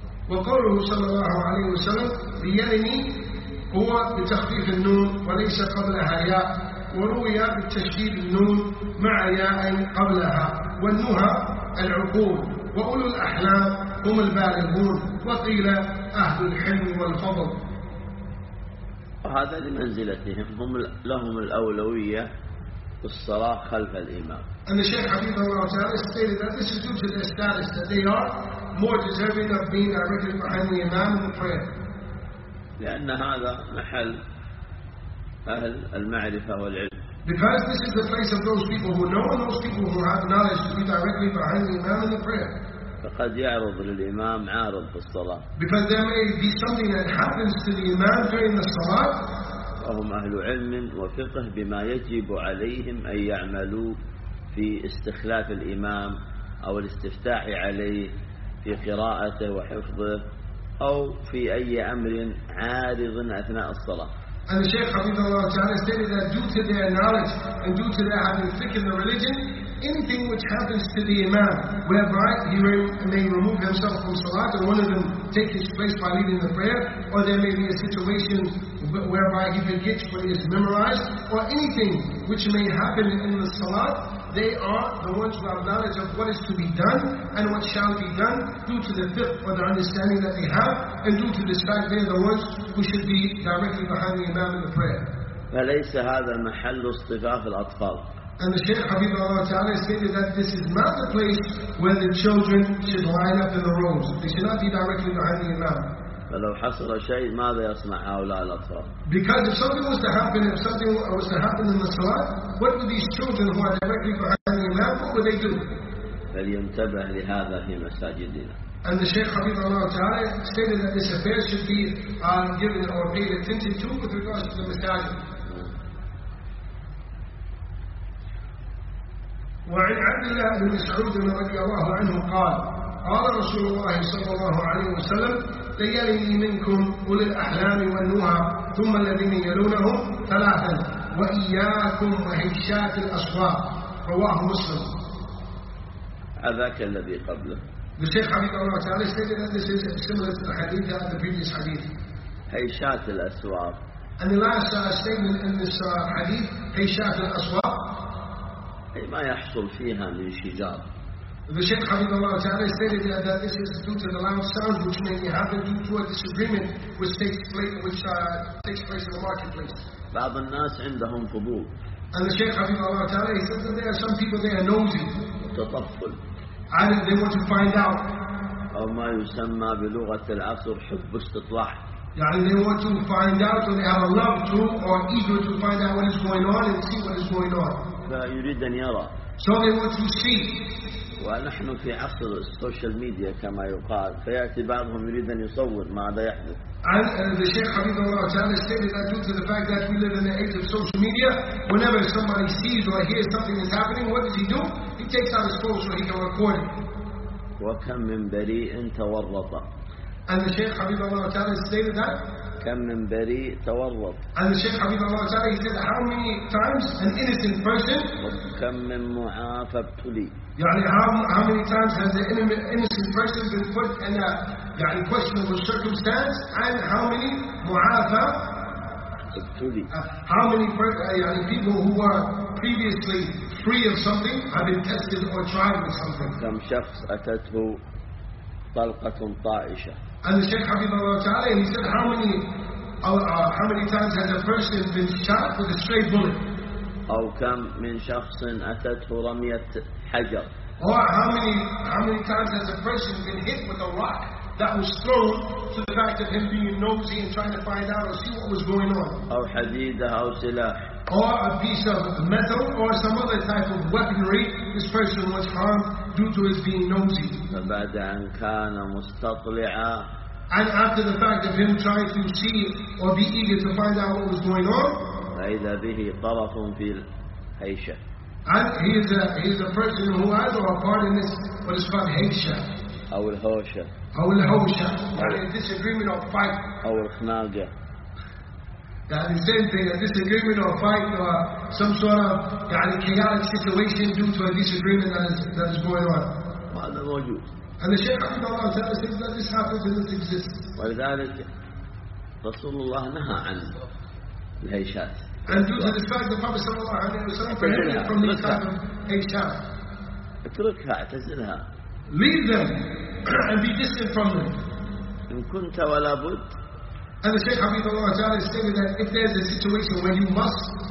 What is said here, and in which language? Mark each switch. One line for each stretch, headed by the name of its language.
Arabic: وقوله صلى الله عليه وسلم ليلني هو بتخفيف النون وليس قبلها ياء وروي بالتشديد النون مع ياء قبلها والنهى العقول وأولو الأحلام هم البالغون وقيل أهل الحلم والفضل. وهذا لمنزلتهم هم لهم الأولوية في الصلاة خلف الإمام.
English: And the Shaykh Habib Allah Ta'ala stated that this is due to their status, that they are more deserving of being directed behind the Imam in the prayer.
Arabic: لأن هذا محل أهل المعرفة والعلم.
English: Because this is the place of those people who know and those people who have knowledge to be directly behind the Imam in the prayer.
Arabic: فقد يعرض للإمام عارض في الصلاة.
English: Because there may be something that happens to the Imam during the Salah.
Arabic: وهم أهل علم وفقه بما يجب عليهم أن يعملوا في استخلاف الإمام أو الاستفتاء عليه في قراءته وحفظه أو في أي أمر عارض أثناء الصلاة.
English: And the Shaykh Habibullah Ta'ala stated that due to their knowledge and due to their having faith in the religion, anything which happens to the Imam, whereby he may remove himself from Salat and one of them take his place by leading the prayer, or there may be a situation whereby he forgets what he has memorized, or anything which may happen in the Salat, they are the ones who have knowledge of what is to be done and what shall be done due to the fiqh or the understanding that they have, and due to this fact they are the ones who should be directly behind the Imam in the prayer.
Arabic: فليس هذا محل اصطفاف الأطفال.
English: And the Shaykh Habibullah Ta'ala stated that this is not the place where the children should line up in the rows. They should not be directly behind the Imam.
Arabic: فلو حصل شيء ماذا يصنع هؤلاء الأطفال؟
English: Because if something was to happen in the Salat, what would these children who are directly behind the Imam?
Arabic: يهابون وديدون. فلينتبه لهذا في مساجدنا.
English: And the Sheikh Habib Allah Ta'ala stated that this affair should be given or paid attention to with regards to the masajid.
Arabic: وعن عبد الله بن مسعود رضي الله عنه قال قال رسول الله صلى الله عليه وسلم ليلي منكم أولي الأحلام والنهى ثم الذين يلونهم ثلاثا وإياكم وهشات الأصوات رواه مسلم. أذاك الذي قبله.
English: The Shaykh Habib Allah Ta'ala stated that this is similar to the hadith of the previous hadith.
Arabic: هيشات الأسواق.
English: And the last statement in this hadith,
Arabic: هيشات الأسواق. ما يحصل فيها من شجار.
English: The Shaykh Habib Allah Ta'ala stated that this is due to the loud sounds which may happen due to a disagreement which takes place in the marketplace.
Arabic: بعض الناس عندهم فضول.
English: And the Shaykh Habib Allah Ta'ala he said that there are some people they are nosy.
Arabic: تطفل.
English: And they want to find out.
Arabic: أو ما يسمى بلغة العصر حب استطلاع. يعني
English: they want to find out or they have a love to or eager to find out what is going on and see what is going on.
Arabic: فيريد أن يرى.
English: So they want to see.
Arabic: ونحن في عصر السوشيال ميديا كما يقال فيأتي بعضهم يريد أن يصور ماذا يحدث.
English: And the Sheikh Habib Allah Ta'ala stated that due to the fact that we live in the age of social media, whenever somebody sees or hears something is happening, what does he do? He takes out his phone so he can record it.
Arabic: وكم من بريء تورط.
English: And the Sheikh Habib Allah Ta'ala stated that.
Arabic: كم من بريء تورط.
English: And the Sheikh Habib Allah Ta'ala said how many times an innocent person.
Arabic: وكم من معافى ابتلي. يعني
English: how many times has the innocent person been put in a
Arabic: يعني
English: questionable circumstance and how many
Arabic: معافى ابتلي. يعني
English: people who were previously free of something have been tested or tried with something.
Arabic: كم شخص أتته طلقة طائشة.
English: And the Sheikh Habib Allah Ta'ala he said how many times has a person been shot with a stray bullet.
Arabic: أو كم من شخص أتته رمية حجر.
English: Or how many times has a person been hit with a rock that was thrown to the fact of him being nosy and trying to find out or see what was going on.
Arabic: أو حديدة أو سلاح.
English: Or a piece of metal or some other type of weaponry this person was harmed due to his being nosy.
Arabic: فبعد أن كان مستطلعا.
English: And after the fact of him trying to see or be eager to find out what was going on.
Arabic: فإذا به طرف في الهيشة.
English: And he is a person who has or a part in this what is called هيشة.
Arabic: أو الهوشة. أو الهوشة. يعني
English: a disagreement or fight.
Arabic: أو الخناقة.
English: That is the same thing, a disagreement or a fight or some sort of
Arabic: يعني
English: chaotic situation due to a disagreement that is going on.
Arabic: وهذا موجود.
English: And the Shaykh Abdul Allah says that this happens and it exists.
Arabic: ولذلك رسول الله نهى عن الهيشات.
English: And due to this fact, the Prophet
Arabic: صلى الله عليه وسلم
English: prohibited from this type of هيشات.
Arabic: اتركها اعتزلها.
English: Leave them and be distant from them.
Arabic: إن كنت ولا بد.
English: And the Shaykh Habib Allah Ta'ala stated that if there is a situation where you must,